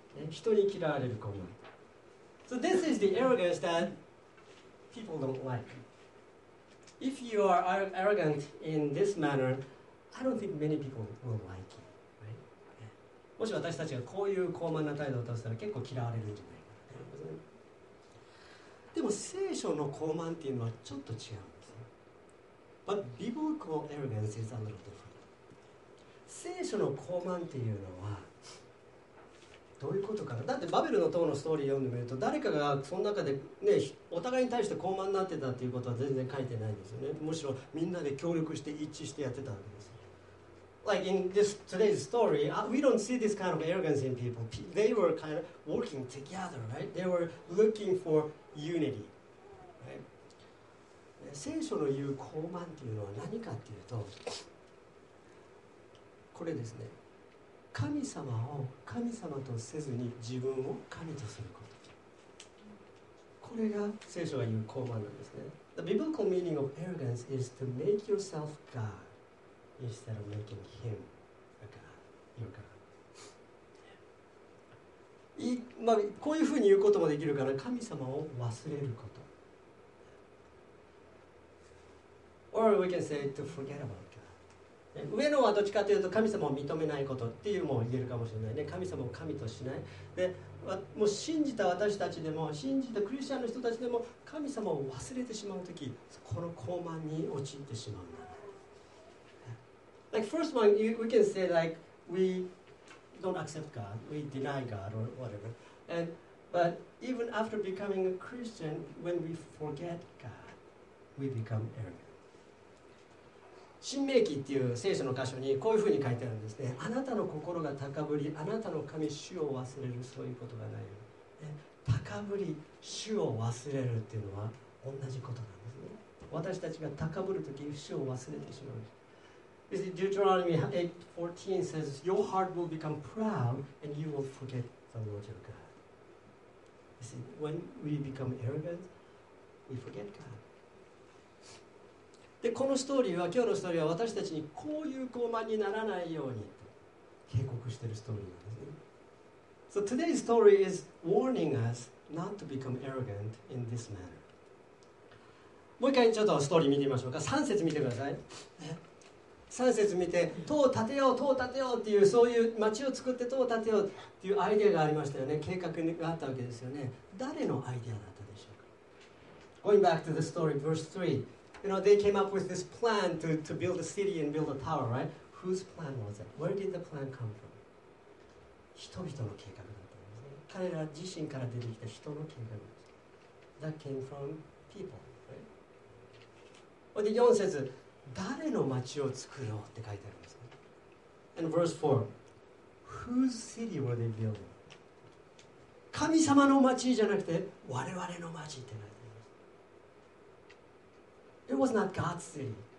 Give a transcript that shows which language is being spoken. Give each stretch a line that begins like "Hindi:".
Japanese: 人に嫌われる高慢。
English: So this is the arrogance that people don't like. If you are arrogant in this manner, I don't think many people will like you.
Japanese: もし私たちがこういう高慢な態度を取ったら結構嫌われるんじゃないかな。でも聖書の高慢っていうのはちょっと違うんですね。
English: But biblical arrogance is a little different.
Japanese: 聖書の高慢っていうのはどういうことかな。だってバベルの塔のストーリー読んでみると、誰かがその中で、ね、お互いに対して高慢になってたっていうことは全然書いてないんですよね。むしろみんなで協力して一致してやってたわけです。
English: Like in this today's story, we don't see this kind of arrogance in people. They were kind of working together, right? They were looking for unity, right?
Japanese: 聖書の言う高慢っていうのは何かっていうと、これですね、神様を神様とせずに自分を神とすること。これが聖書が言う高慢なんですね。
English: The biblical meaning of arrogance is to make yourself God instead of making him a God. Your God.
Japanese: まあ、こういうふうに言うこともできるから、神様を忘れること。
English: Or we can say to forget about God.
Japanese: 上のはどっちかというと神様を認めないことっていうも言えるかもしれないね。神様を神としない。で、もう信じた私たちでも、信じたクリスチャンの人たちでも、神様を忘れてしまうとき、この高慢に陥ってしまうんだ。
English: Like first one, we can say like we don't accept God, we deny God or whatever. And but even after becoming a Christian, when we forget God, we become arrogant.
Japanese: 申命記っていう聖書の箇所にこういうふうに書いてあるんですね。あなたの心が高ぶり、あなたの神主を忘れる、そういうことがないよ、ね、高ぶり、主を忘れるっていうのは同じことなんですね。私たちが高ぶるとき主を忘れてしまう。
English: Deuteronomy 8:14 says Your heart will become proud and you will forget the Lord your God. You see, when we become arrogant, we forget God.
Japanese: で、このストーリーは、今日のストーリーは私たちにこういう傲慢にならないようにと警告しているストーリーなんですね。
English: So today's story is warning us not to become arrogant in this manner.
Japanese: もう一回ちょっとストーリー見てみましょうか。3節見てください。3節見て、塔を建てよう、塔を建てようっていう、そういう町を作って塔を建てようっていうアイデアがありましたよね。計画があったわけですよね。誰のアイデアだったでしょうか。
English: Going back to the story, verse 3. You know, they came up with this plan to build a city and build a tower, right? Whose plan was it? Where did the plan come from?
Japanese: 人々の計画だったんですね。彼ら自身から出てきた人の計画です。
English: That came from people, right?
Japanese: で、4節、誰の町を作ろうって書いてあるんですね。
English: And verse 4, whose city were they building?
Japanese: 神様の町じゃなくて、我々の町って書いて
English: It was not God's city.